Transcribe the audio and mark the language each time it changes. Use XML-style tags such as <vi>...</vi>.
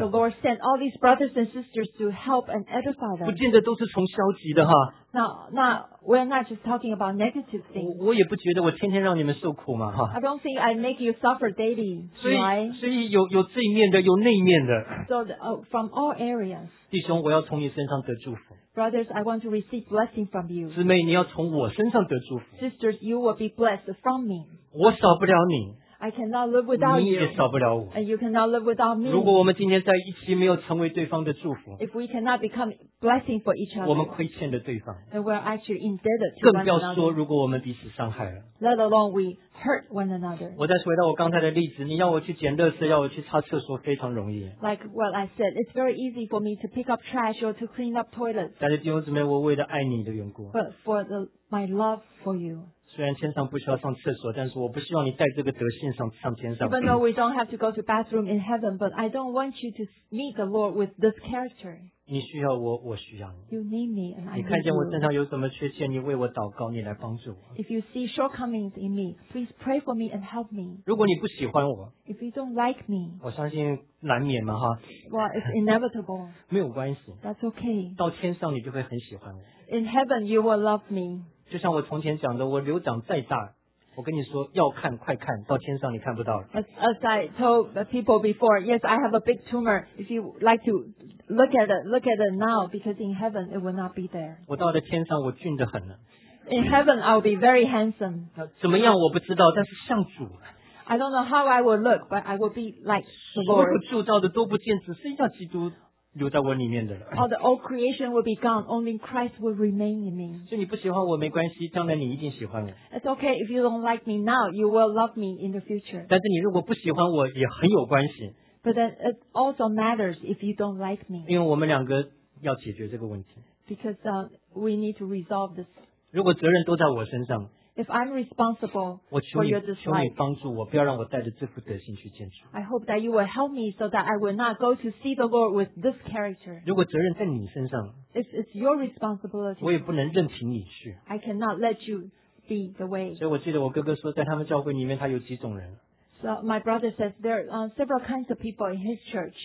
<en>The Lord sent all these brothers and sisters to help and edify them.</en> <zh>不见得都是从消极的哈。</zh> <en>那 we're not just talking about negative things.</en> <zh>我也不觉得我天天让你们受苦嘛哈。</zh> <en>I don't think I make you suffer daily.</en> <zh>所以有这一面的，有那一面的。</zh> <en>So from all areas.</en> <zh>弟兄，我要从你身上得祝福。</zh> <en>Brothers, I want to receive blessing from you.</en> <zh>姊妹，你要从我身上得祝福。</zh> <en>Sisters, you will be blessed from me.</en> <zh>我少不了你。</zh> <en>I cannot live without you.</en> <zh>你也少不了我。</zh> <en>And you cannot live without me.</en> <zh>如果我们今天在一起没有成为对方的祝福。</zh> <en>If we cannot become blessing for each other.</en> <zh>我们亏欠了对方。</zh> <en>Then we are actually indebted to one another.</en> <zh>更不要说如果我们彼此伤害了。</zh> <en>Let alone we hurt one another.</en> <zh>我再回到我刚才的例子，你要我去捡垃圾，要我去擦厕所，非常容易。</zh> <en>Like what I said, it's very easy for me to pick up trash or to clean up toilets.</en> <zh>但是弟兄姊妹，我为了爱你的缘故。</zh> <en>But for my love for you.</en> <zh>虽然天上不需要上厕所，但是我不希望你带这个德性上天上。</zh> <en>Even though we don't have to go to bathroom in heaven, but I don't want you to meet the Lord with this character.</en> <zh>你需要我，我需要你。</zh> <en>You need me, and I need you.</en> <zh>你看见我身上有什么缺陷，你为我祷告，你来帮助我。</zh> <en>If you see shortcomings in me, please pray for me and help me.</en> <zh>如果你不喜欢我</zh> <en>，If you don't like me,</en> <zh>我相信难免嘛哈。</zh> <en>Well, it's inevitable.</en> <zh>没有关系。</zh> <en>That's okay.</en> <zh>到天上你就会很喜欢我。</zh> <en>In heaven, you will love me.</en> <zh>就像我从前讲的，我留长再大，我跟你说要看快看到天上你看不到了。</zh> <en>As I told the people before, yes, I have a big tumor. If you like to look at it now, because in heaven it will not be there.</en> <zh>我到了天上，我俊得很了。</zh> <en>In heaven, I'll be very handsome.</en> <zh>怎么样我不知道，但是像主。</zh> <en>I don't know how I will look, but I will be like the Lord.</en> <zh>所有铸造的都不见，只剩下基督。留在我里面的了。</zh> <en>All the old creation will be gone. Only Christ will remain in me.</en> <zh>所以你不喜欢我没关系，将来你一定喜欢我。</zh> <en>It's okay if you don't like me now. You will love me in the future.</en> <zh>但是你如果不喜欢我，也很有关系。</zh> <en>But then it also matters if you don't like me.</en> <zh>因为我们两个要解决这个问题。</zh> <en>Because we need to resolve this.</en> <zh>如果责任都在我身上。</zh> <en>If I'm responsible for your dislike,</en> <zh>我求你帮助我，不要让我带着这副德行去见主。</zh> <en>I hope that you will help me so that I will not go to see the Lord with this character.</en> <zh>如果责任在你身上</zh> <en>，It's your responsibility.</en> <zh>我也不能任凭你去。</zh> <en>I cannot let you be the way.</en> <zh>所以我记得我哥哥说，在他们教会里面，他有几种人。</zh> <en>So my brother says there are several kinds of people in his church.</en>